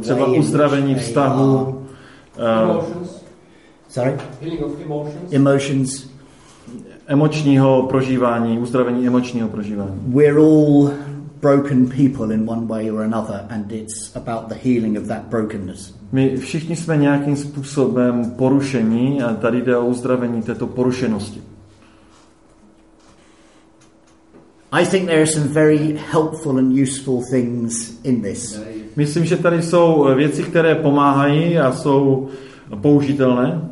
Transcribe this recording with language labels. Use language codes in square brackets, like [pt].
[cs] třeba uzdravení vztahu. [en] Sorry? Healing of emotions. Emotions. [cs] Emočního prožívání, uzdravení emočního prožívání. [en] We're all broken people in one way or another and it's about the healing of that brokenness. [cs] My všichni jsme nějakým způsobem porušení a tady jde o uzdravení této porušenosti. [en] I think there are some very helpful and useful things in this. [cs] Myslím, že tady jsou věci, které pomáhají a jsou použitelné.